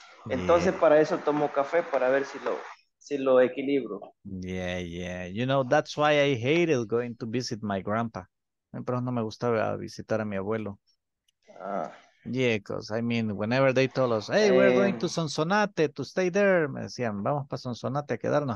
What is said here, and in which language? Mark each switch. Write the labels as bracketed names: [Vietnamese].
[Spanish] Entonces, para eso tomo café, para ver si lo equilibro. [English] Yeah. You know, that's why I hated going to visit my grandpa. [Spanish] Pero no me gustaba visitar a mi abuelo. [English] Yeah, because, I mean, whenever they told us, hey, we're going to Sonsonate to stay there, [Spanish] me decían, vamos para Sonsonate a quedarnos.